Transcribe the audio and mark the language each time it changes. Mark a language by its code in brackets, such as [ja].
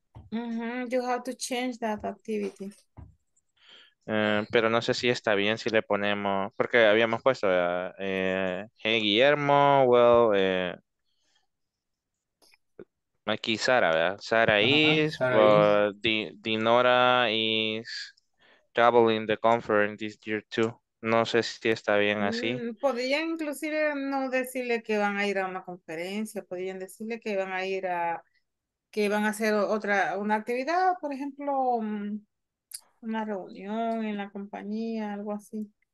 [en] You have to change that activity. [es] Pero no sé si está bien si le ponemos, porque habíamos puesto hey Guillermo, well, aquí Sara, ¿verdad? [en] Sara is, Dinora is traveling the conference this year too. [es] No sé si está bien así. Podría inclusive no decirle que van a ir a una conferencia, podrían decirle que van a ir a, que van a hacer otra, una actividad, por ejemplo, una reunión en la compañía, algo así.